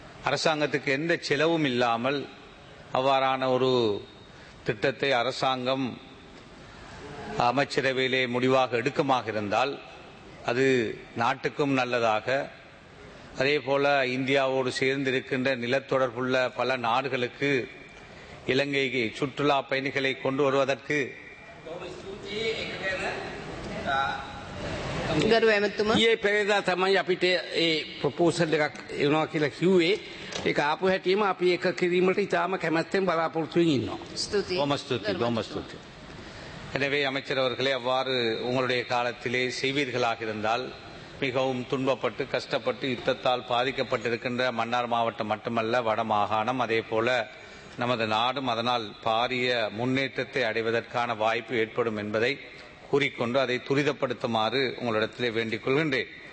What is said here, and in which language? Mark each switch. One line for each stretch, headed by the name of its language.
Tamil: அரசாங்கத்துக்கு எந்த செலவும் இல்லாமல் அவ்வாறான ஒரு திட்டத்தை அரசாங்கம் அமைச்சரவையிலே முடிவாக எடுக்கமாக இருந்தால் அது நாட்டுக்கும் நல்லதாக அதேபோல இந்தியாவோடு சேர்ந்திருக்கின்ற நிலத்தொடர்புள்ள பல நாடுகளுக்கு இலங்கைக்கு சுற்றுலா பயணிகளை கொண்டு வருவதற்கு
Sinhala: ගරු ඇමතුමා ඊයේ පෙරේදා තමයි අපිට ඒ ප්‍රොපෝසල් එකක් එනවා කියලා කිව්වේ. ඒක ආපු හැටියෙම අපි එක කිරීමට ඉතාම කැමැත්තෙන් බලාපොරොත්තු වෙමින් ඉන්නවා. ස්තුතියි. බොහොම ස්තුතියි. බොහොම ස්තුතියි.
Tamil: எனவே அமைச்சரவர்களே, அவ்வாறு உங்களுடைய காலத்திலே செய்வீர்களாக இருந்தால் மிகவும் துன்பப்பட்டு கஷ்டப்பட்டு யுத்தத்தால் பாதிக்கப்பட்டிருக்கின்ற மன்னார் மாவட்டம் மட்டுமல்ல வட மாகாணம், அதே போல நமது நாடும் அதனால் பாரிய முன்னேற்றத்தை அடைவதற்கான வாய்ப்பு ஏற்படும் என்பதை கூறிக்கொண்டு அதை துரிதப்படுத்துமாறு உங்களிடத்திலே வேண்டிக் கொள்கின்றேன்.